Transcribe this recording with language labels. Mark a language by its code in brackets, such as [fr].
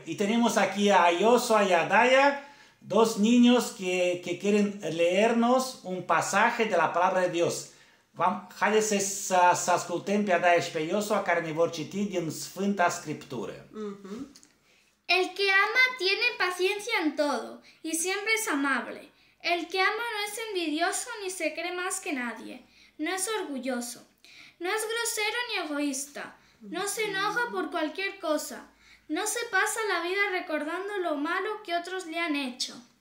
[es] Y tenemos aquí a Iosua y a Daya, dos niños que quieren leernos un pasaje de la Palabra de Dios. [ro] Haideți să ascultăm pe Daya și pe Iosua care ne vor citi din Sfânta Scriptură. Uh-huh. [es] El que ama tiene paciencia en todo y siempre es amable. El que ama no es envidioso ni se cree más que nadie. No es orgulloso. No es grosero ni egoísta. No se enoja por cualquier cosa. No se pasa la vida recordando lo malo que otros le han hecho.